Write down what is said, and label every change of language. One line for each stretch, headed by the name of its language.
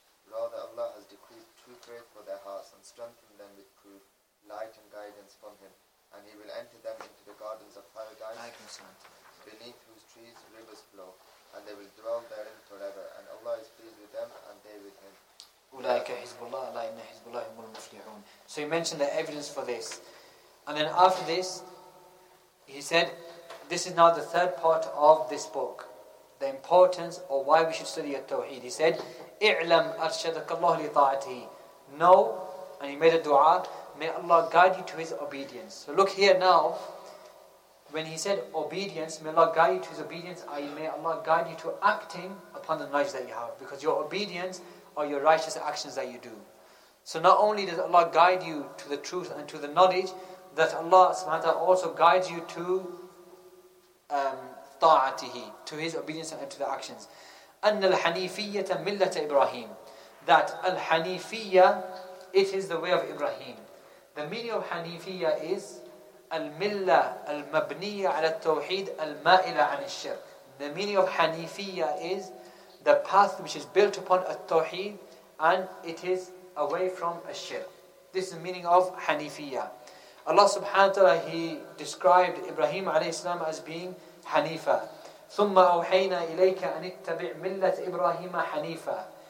English: Rather, Allah has decreed truth faith for their hearts and strengthened them with proof, light and guidance from Him. And He will enter them into the gardens of paradise, beneath whose trees rivers flow, and they will dwell therein forever. And Allah is pleased with them, and they with Him.
Arabic: أُولَٰئِكَ حِزْبُ اللَّهِ لَا إِنَّ حِزْبُ اللَّهِ هُمُ الْمُفْلِحُونَ
English: So he mentioned the evidence for this. And then after this, he said, this is now the third part of this book. The importance of why we should study At-Tawheed. He said,
Arabic: اِعْلَمْ أَرْشَدَكَ اللَّهُ لِطَاعَتِهِ
English: Know, and he made a dua, may Allah guide you to His obedience. So look here now, when he said obedience, may Allah guide you to His obedience, i.e. may Allah guide you to acting upon the knowledge that you have. Because your obedience or your righteous actions that you do. So not only does Allah guide you to the truth and to the knowledge, that Allah subhanahu wa ta'ala also guides you to ta'atihi, to His obedience and to the actions.
Arabic: أن الحنيفية ملة إبراهيم
English: That الحنيفية, it is the way of Ibrahim. The meaning of
Arabic: حنيفية is الملة المبنية على التوحيد المائلة عن الشرك.
English: The meaning of حنيفية is the path which is built upon a tawheed and it is away from a shirk. This is the meaning of Hanifiyya. Allah subhanahu wa ta'ala, He described Ibrahim alayhi salam as being Hanifa.
Arabic: ثُمَّ أَوْحَيْنَا إِلَيْكَ أَنِ اتَّبِعْ مِلَّةِ إِبْرَاهِيمَ حَنِيفًا.